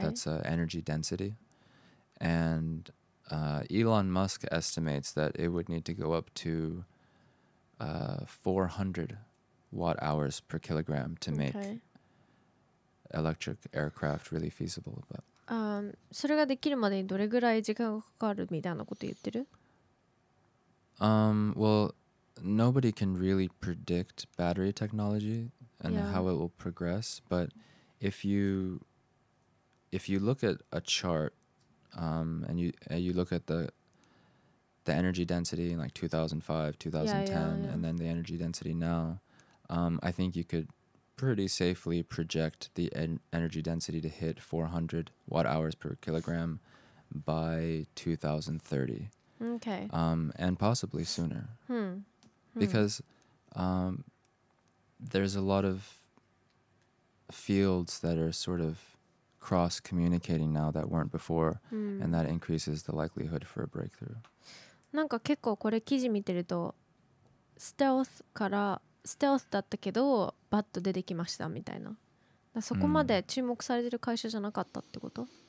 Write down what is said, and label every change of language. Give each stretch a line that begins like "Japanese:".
English: That's energy density. And Elon Musk estimates that it would need to go up to 400 watt hours per kilogram to make electric aircraft really feasible. But
Japanese: それができるまでにどれぐらい時間がかかるみたいなこと言ってる？
English: Well, nobody can really predict battery technology and how it will progress. But if you look at a chart, and you look at the energy density in like 2005, 2010, and then the energy density now, I think you could pretty safely project the energy density to hit 400 watt hours per kilogram by 2030. Okay. And possibly sooner. Because there's a lot of fields that are sort of cross-communicating now that weren't before, and that increases the likelihood for a breakthrough.
Japanese: なんか結構これ記事見てるとステルスからステルスだったけどバッと出てきましたみたいな。だそこまで注目されてる会社じゃなかったってこと？